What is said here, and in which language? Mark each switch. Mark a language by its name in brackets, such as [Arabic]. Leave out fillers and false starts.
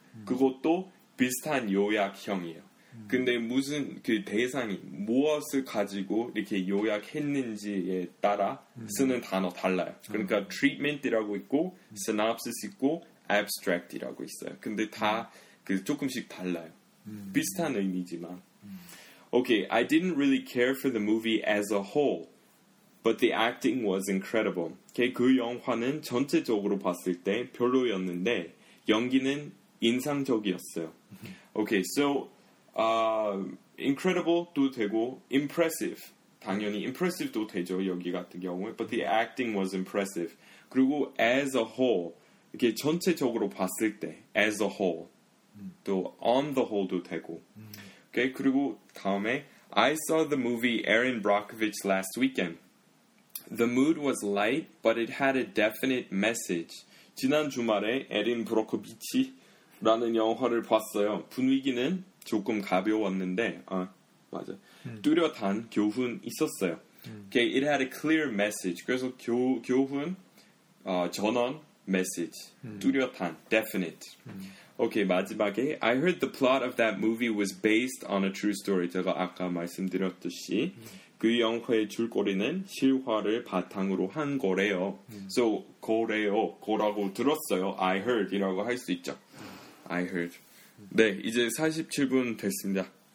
[Korean] 그것도 비슷한 요약형이에요. 근데 무슨 그 대상이 무엇을 가지고 이렇게 요약했는지에 따라 쓰는 단어 달라요. 그러니까 treatment이라고 있고 synopsis 있고 abstract이라고 있어요. 근데 다 그 조금씩 달라요. 비슷한 의미지만. [English] Okay, I didn't really care for the movie as a whole, but the acting was incredible. [Korean] Okay, 그 영화는 전체적으로 봤을 때 별로였는데 연기는 인상적이었어요. Okay, so incredible도 되고 impressive 당연히 impressive도 되죠 여기 같은 경우에. [English] But the acting was impressive. [Korean] 그리고 [English] as a whole. [Korean] 이렇게 전체적으로 봤을 때 [English] as a whole [Korean] 또 [English] on the whole [Korean] 도 되고 okay, 그리고 다음에 [English] I saw the movie Aaron Brockovich last weekend. The mood was light but it had a definite message. [Korean] 지난 주말에 에린 브로커비치라는 영화를 봤어요. 분위기는 조금 가벼웠는데 맞아. 뚜렷한 교훈 있었어요. [English] Okay, it had a clear message. [Korean] 그래서 교훈 전언 message. 뚜렷한. Definite. [English] Okay, [Korean] 마지막에 [English] I heard the plot of that movie was based on a true story. [Korean] 제가 아까 말씀드렸듯이 그 영화의 줄거리는 실화를 바탕으로 한 거래요. So, 거래요. 거라고 들었어요. [English] I heard. [Korean] 이라고 할 수 있죠. I heard. 네, 이제 47분 됐습니다.